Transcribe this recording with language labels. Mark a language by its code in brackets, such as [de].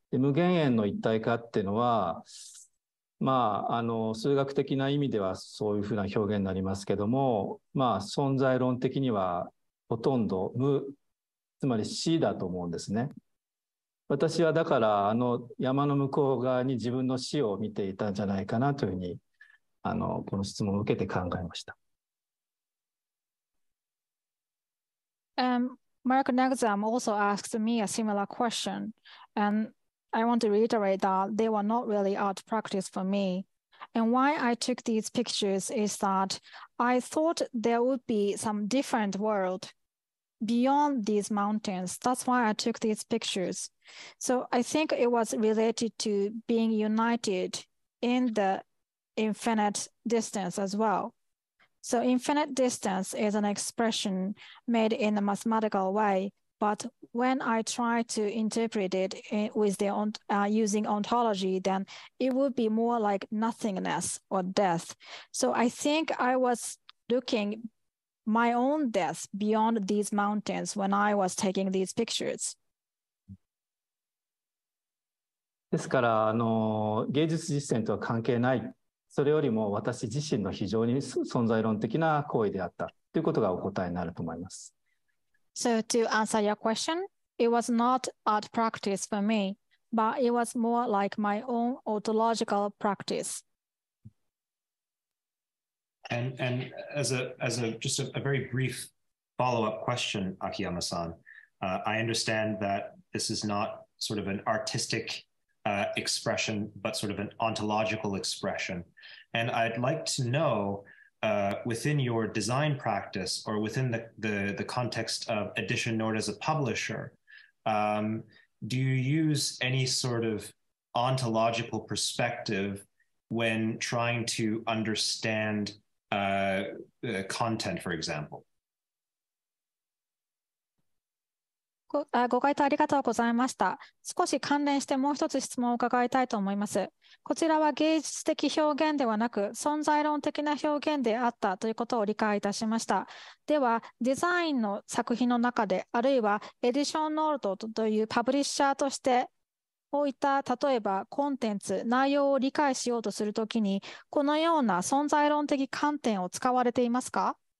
[ja] で、無限遠の一体化っていうのは、まあ、数学的な意味ではそういうふうな表現になりますけども、まあ、存在論的にはほとんど無、つまり死だと思うんですね。私はだから、山の向こう側に自分の死を見ていたんじゃないかなというふうに、この質問を受けて考えました。 [en] Marc Nagtzaam also asked me a similar question, and I want to reiterate that they were not really art practice for me. And why I took these pictures is that I thought there would be some different world beyond these mountains. That's why I took these pictures. So I think it was related to being united in the infinite distance as well. So infinite distance is an expression made in a mathematical way, but when I try to interpret it with the using ontology, then it would be more like nothingness or death. So I think I was looking my own death beyond these mountains when I was taking these pictures. [ja] ですから、芸術実践とは関係ない。それよりも私自身の非常に存在論的な行為であったということがお答えになると思います。 [en] So to answer your question, it was not art practice for me, but it was more like my own ontological practice. And as a just a very brief follow-up question, Akiyama-san, I understand that this is not sort of an artistic expression, but sort of an ontological expression. And I'd like to know, within your design practice or within the context of Edition Nord as a publisher, do you use any sort of ontological perspective when trying to understand content, for example? [ja] ご回答ありがとうございました。少し関連してもう一つ質問を伺いたいと思います。こちらは芸術的表現ではなく、存在論的な表現であったということを理解いたしました。では、デザインの作品の中で、あるいはエディションノートというパブリッシャーとして、こういった例えばコンテンツ、内容を理解しようとするときに、このような存在論的観点を使われていますか？